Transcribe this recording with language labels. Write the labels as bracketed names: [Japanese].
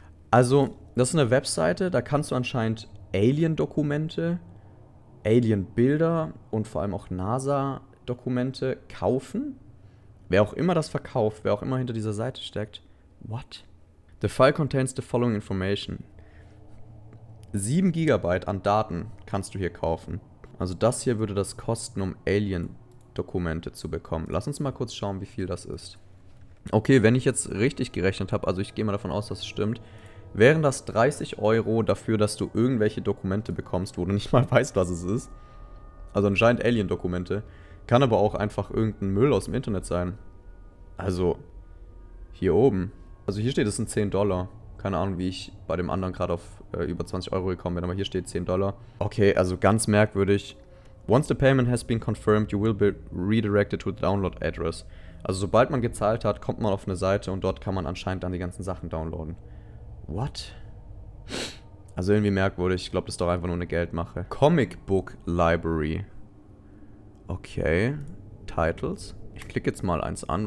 [German] Also, das ist eine Webseite, da kannst du anscheinend Alien-Dokumente, Alien-Bilder und vor allem auch NASA-Dokumente kaufen. Wer auch immer das verkauft, wer auch immer hinter dieser Seite steckt. [English] What? The file contains the following information. [German] 7 GB an Daten kannst du hier kaufen. Also das hier würde das kosten, um Alien-Dokumente zu bekommen. Lass uns mal kurz schauen, wie viel das ist. Okay, wenn ich jetzt richtig gerechnet habe, also ich gehe mal davon aus, dass es stimmt, wären das 30 Euro dafür, dass du irgendwelche Dokumente bekommst, wo du nicht mal weißt, was es ist. Also anscheinend Alien-Dokumente. Kann aber auch einfach irgendein Müll aus dem Internet sein. Also, hier oben. Also hier steht, es sind 10 Dollar. Keine Ahnung, wie ich bei dem anderen gerade auf über 20 Euro gekommen bin, aber hier steht 10 Dollar. Okay, also ganz merkwürdig. [English] Once the payment has been confirmed, you will be redirected to the download address. [German] Also sobald man gezahlt hat, kommt man auf eine Seite und dort kann man anscheinend dann die ganzen Sachen downloaden. [English] What? [German] Also irgendwie merkwürdig. Ich glaube, das ist doch einfach nur eine Geldmache. Comic Book Library. Okay. Titles. Ich klicke jetzt mal eins an.